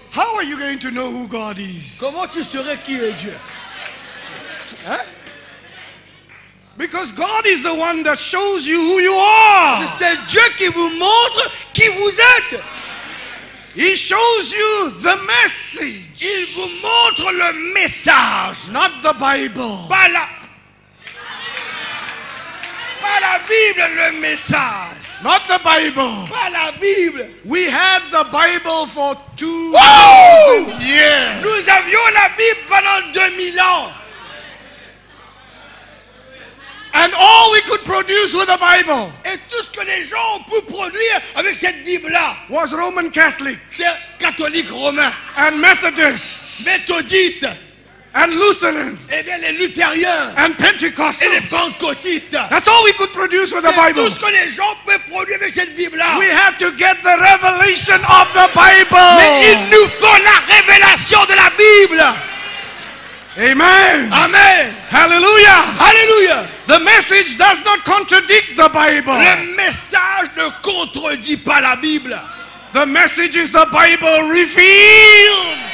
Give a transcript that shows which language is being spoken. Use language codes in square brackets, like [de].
[en] how are you going to know who God is? [fr] Comment tu saurais qui est Dieu? Hein? [en] Because God is the one that shows you who you are. [fr] C'est Dieu qui vous montre qui vous êtes. [en] He shows you the message. [fr] Il vous montre le message. [en] Not the Bible. [fr] Pas la Bible, le message. [en] Not the Bible. [fr] Pas la Bible. [en] We had the Bible for 2,000 years. [fr] Nous avions la Bible pendant 2000 ans. [en] And all we could produce with the Bible. [fr] Et tout ce que les gens ont pu produire avec cette Bible-là. [en] Was Roman Catholics. [fr] C'est catholique romain. [en] And Methodists. [fr] Méthodistes. [en] And Lutherans. [fr] Et bien les luthériens. [en] And Pentecostals. [fr] Et les pentecôtistes. [en] That's all we could produce with [fr] c'est [en] the Bible. [fr] Tout ce que les gens pouvaient produire avec cette Bible-là. [en] We have to get the revelation of the Bible. [fr] Mais il nous faut la révélation de la Bible. [en] Amen. [fr] Amen. [en] Hallelujah. [fr] Hallelujah. [en] The message does not contradict the Bible. [fr] Le message ne contredit pas la Bible. [en] The message is the Bible revealed.